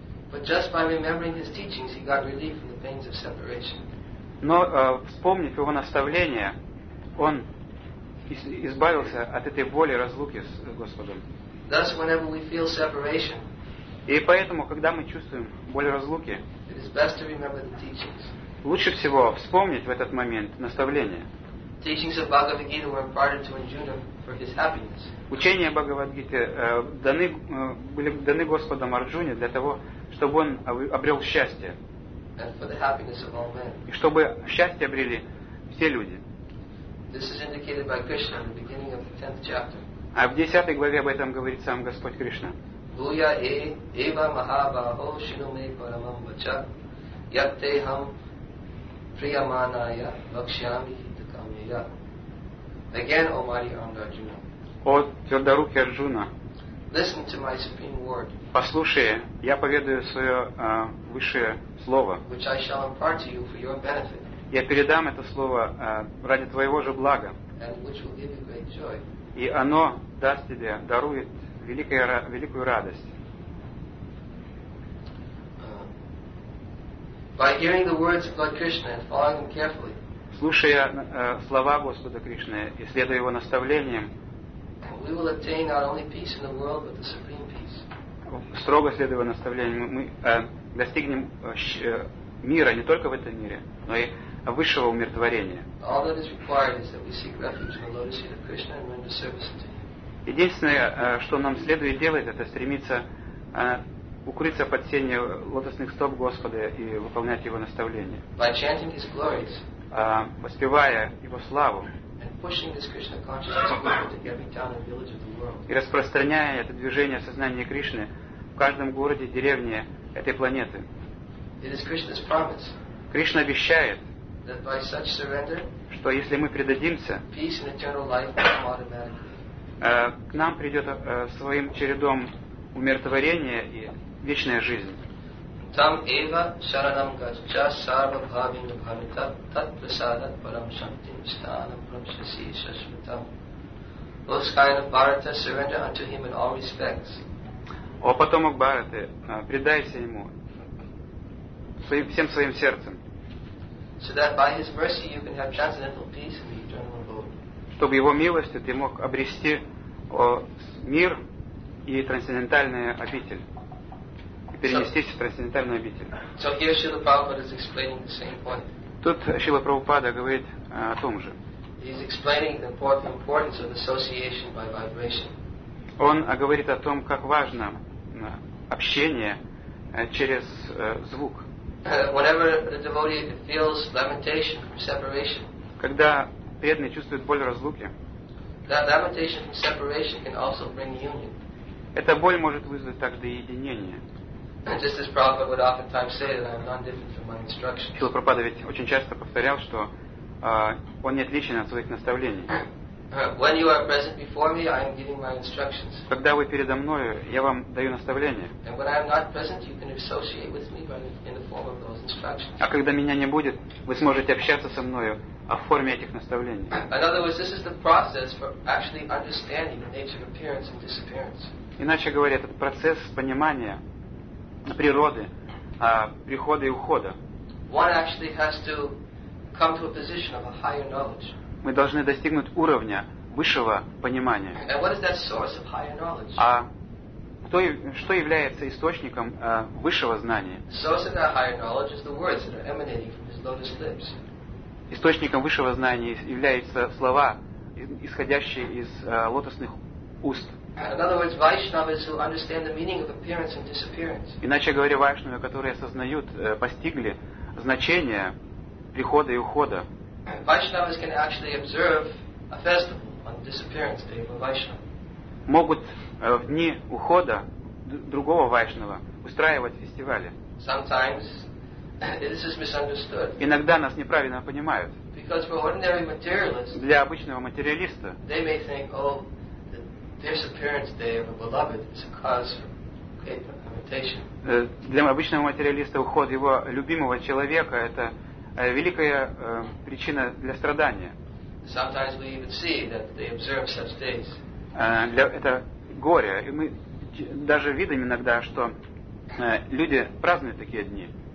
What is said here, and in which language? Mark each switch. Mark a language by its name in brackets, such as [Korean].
[English] But just by remembering his teachings, he got relief from the pains of separation. [Russian] Но вспомнив его наставления, он избавился от этой боли разлуки с Господом. [English] Thus, whenever we feel separation, [Russian] и поэтому, когда мы чувствуем боль разлуки, [English] it is best to remember the teachings. [Russian] Лучше всего вспомнить в этот момент наставление. [English] Teachings of Bhagavad Gita were imparted to Arjuna for his happiness. [Russian] Учения Бхагавад-гиты были даны Господом Арджуне для того, чтобы он обрел счастье. [English] And for the happiness of all men. [Russian] И чтобы счастье обрели все люди. [English] This is indicated by Krishna in the beginning of the 10th chapter. [Russian] А в 10 главе об этом говорит сам Господь Кришна. [Sanskrit] Буя эва махабахо шинуме парамам вача яттехам приямана вакшьями хитакамья. [English] Again, O mighty armed Arjuna. [Russian] О твердорукий Арджуна. [English] Listen to my supreme word. [Russian] Послушай, я поведаю свое высшее слово. [English] Which I shall impart to you for your benefit. [Russian] Я передам это слово ради твоего же блага. [English] And which will give you great joy. [Russian] И оно даст тебе, дарует великую радость. [English] By hearing the words of Lord Krishna and following them carefully. [Russian] Слушая слова Господа Кришны и следуя его наставлениям. [English] We will attain not only peace in the world, but the supreme peace. [Russian] Строго следуя наставлениям, мы достигнем мира не только в этом мире, но и высшего умиротворения. [English] All that is required is that we seek refuge in the lotus feet of Krishna and render service to him. [Russian] Единственное, что нам следует делать, это стремиться укрыться под сенью лотосных стоп Господа и выполнять его наставления. [English] By chanting his glories. [Russian] Воспевая его славу. [English] And pushing this Krishna consciousness movement in every town and village of the world. [Russian] И распространяя это движение сознания Кришны в каждом городе, деревне этой планеты. [English] It is Krishna's promise. [Russian] Кришна обещает. [English] That by such surrender, [Russian] что если мы предадимся, [English] peace and eternal life will come automatically. [Russian] К нам придет своим чередом умиротворение и вечная жизнь. [Sanskrit] Там эва шаранам гача сарва бхавина бхавита тат прасадат парам шантим стана парам шаси шашмитам. [Russian] О скайна Бхарата, [English] surrender unto him in all respects. [Russian] О потомок Бхараты, предайся ему всем своим сердцем. [English] So that by his mercy you can have transcendental peace in the eternal abode. [Russian] Чтобы его милостью ты мог обрести мир и трансцендентальную обитель. И перенестись в трансцендентальную обитель. [English] So here Srila Prabhupada is explaining the same point. [Russian] Тут Шрила Прабхупада говорит о том же. [English] He's explaining the importance of association by vibration. [Russian] Он говорит о том, как важно общение через звук. [English] Whenever the devotee feels lamentation from separation, [Russian] когда преданный чувствует боль разлуки, [English] that lamentation from separation can also bring union. [Russian] Эта боль может вызвать также и единение. [English] Just as Prabhupada would oftentimes say that I am not different from my instructions. [Russian] Шрила Прабхупада ведь очень часто повторял, что он не отличен от своих наставлений. [English] When you are present before me, I am giving my instructions. [Russian] Когда вы передо мною, я вам даю наставление. [English] And when I am not present, you can associate with me in the form of those instructions. [Russian] А когда меня не будет, вы сможете общаться со мною в форме этих наставлений. [English] In other words, this is the process for actually understanding the nature of appearance and disappearance. [Russian] Иначе говоря, этот процесс понимания природы, прихода и ухода. [English] One actually has to come to a position of a higher knowledge. [Russian] Мы должны достигнуть уровня высшего понимания. [English] And what is that source of higher knowledge? [Russian] А кто, что является источником высшего знания? [English] Source of that higher knowledge is the words that are emanating from his lotus lips. [Russian] Источником высшего знания являются слова, исходящие из лотосных уст. [English] In other words, Vaishnavas who understand the meaning of appearance and disappearance. [Russian] Иначе говоря, вайшнавы, которые осознают, постигли значение прихода и ухода. [English] Vaishnavas can actually observe a festival on the disappearance day of a Vaishnava. [Russian] Могут в дни ухода другого вайшнава устраивать фестивали. [English] Sometimes this is misunderstood. [Russian] Иногда нас неправильно понимают. [English] Because for ordinary materialists, [Russian] для обычного материалиста, [English] they may think, oh, disappearance day of a beloved is a cause for great meditation. [Russian] Для обычного материалиста уход его любимого человека это великая причина для страдания. [English] Sometimes we even see that they observe such days. [Russian] Это горе. И мы даже видим иногда, что люди празднуют такие дни.